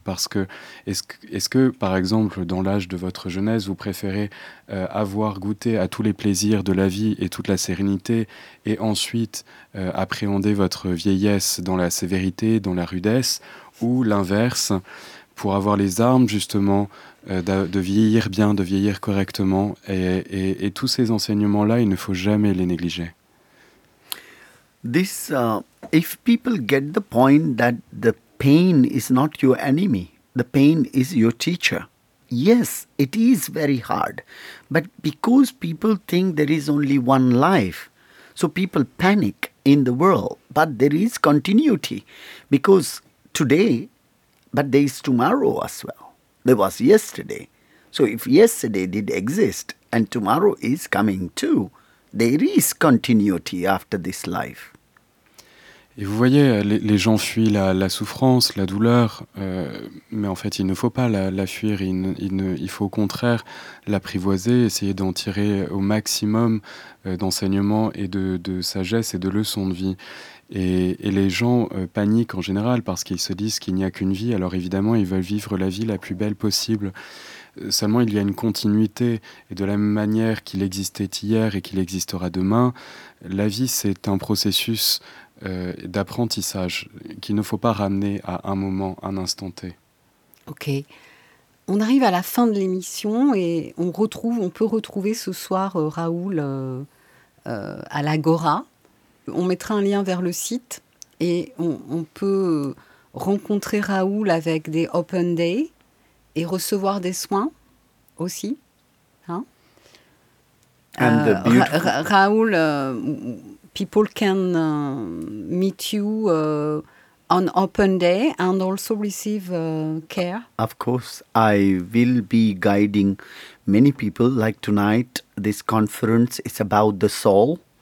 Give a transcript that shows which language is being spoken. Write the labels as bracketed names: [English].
[French] Parce que est-ce que par exemple dans l'âge de votre jeunesse, vous préférez avoir goûté à tous les plaisirs de la vie et toute la sérénité et ensuite appréhender votre vieillesse dans la sévérité, dans la rudesse, ou l'inverse, pour avoir les armes justement de vieillir bien, de vieillir correctement, et tous ces enseignements-là, il ne faut jamais les négliger. [English] This, if people get the point that the pain is not your enemy, the pain is your teacher. Yes, it is very hard, but because people think there is only one life, so people panic in the world. But there is continuity, because today, but there is tomorrow as well. There was yesterday. So if yesterday did exist and tomorrow is coming too, there is continuity after this life. [French] Et vous voyez, les gens fuient la souffrance, la douleur, mais en fait, il ne faut pas la fuir. Il faut au contraire l'apprivoiser, essayer d'en tirer au maximum d'enseignements et de sagesse et de leçons de vie. Et les gens paniquent en général parce qu'ils se disent qu'il n'y a qu'une vie. Alors évidemment, ils veulent vivre la vie la plus belle possible. Seulement, il y a une continuité. Et de la même manière qu'il existait hier et qu'il existera demain, la vie, c'est un processus d'apprentissage qu'il ne faut pas ramener à un moment, un instant T. Ok. On arrive à la fin de l'émission et on peut retrouver ce soir Raoul à l'Agora. On mettra un lien vers le site et on peut rencontrer Raoul avec des open day et recevoir des soins aussi. Hein? [English] And the beautiful... Raoul, people can meet you on open day and also receive care. Of course, I will be guiding many people. Like tonight, this conference is about the soul.